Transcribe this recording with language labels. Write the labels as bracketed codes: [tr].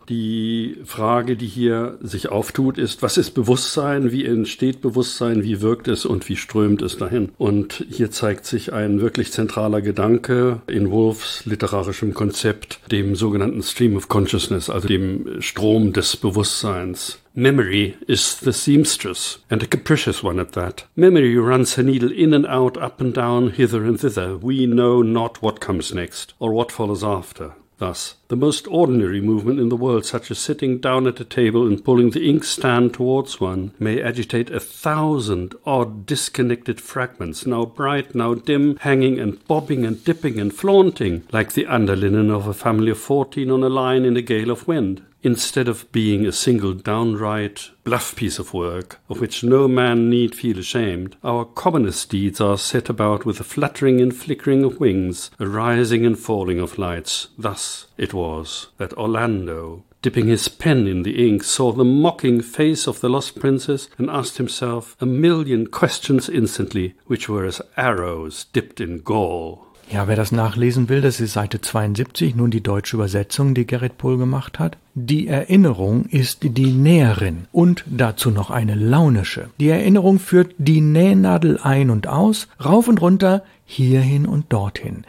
[de] Die Frage, die hier sich auftut, ist, was ist Bewusstsein, wie entsteht Bewusstsein, wie wirkt es und wie strömt es dahin? Und hier zeigt sich ein wirklich zentraler Gedanke in Woolfs literarischem Konzept, dem sogenannten Stream of Consciousness, also dem Strom des Bewusstseins. [en] Memory is the seamstress, and a capricious one at that. Memory runs her needle in and out, up and down, hither and thither. We know not what comes next, or what follows after. Thus, the most ordinary movement in the world, such as sitting down at a table and pulling the inkstand towards one, may agitate a thousand odd disconnected fragments, now bright, now dim, hanging and bobbing and dipping and flaunting, like the underlinen of a family of 14 on a line in a gale of wind. Instead of being a single downright bluff piece of work, of which no man need feel ashamed, our commonest deeds are set about with a fluttering and flickering of wings, a rising and falling of lights. Thus it was that Orlando, dipping his pen in the ink, saw the mocking face of the lost princess and asked himself a million questions instantly, which were as arrows dipped in gall. [de] Ja, wer das nachlesen will, das ist Seite 72, nun die deutsche Übersetzung, die Gerrit Pohl gemacht hat. Die Erinnerung ist die Näherin und dazu noch eine launische. Die Erinnerung führt die Nähnadel ein und aus, rauf und runter, hierhin und dorthin.